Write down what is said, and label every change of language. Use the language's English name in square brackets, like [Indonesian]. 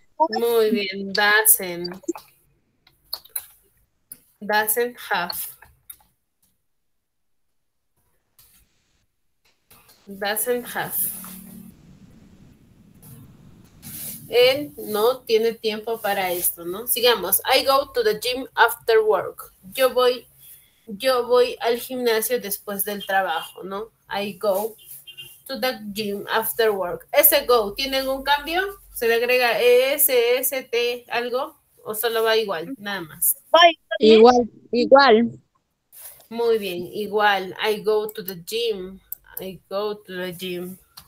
[Spanish] Muy bien, doesn't. [English] Doesn't have. Doesn't have. [Spanish] Él no tiene tiempo para esto, ¿no? Sigamos. [English] I go to the gym after work. [Spanish] Yo voy al gimnasio después del trabajo, ¿no? [English] I go to the gym after work. [Spanish] Ese go, ¿tiene algún cambio? ¿Se le agrega EST algo? ¿O solo va igual? Nada más. Igual, igual. Muy bien, igual. [English] I go to the gym. I go to the gym.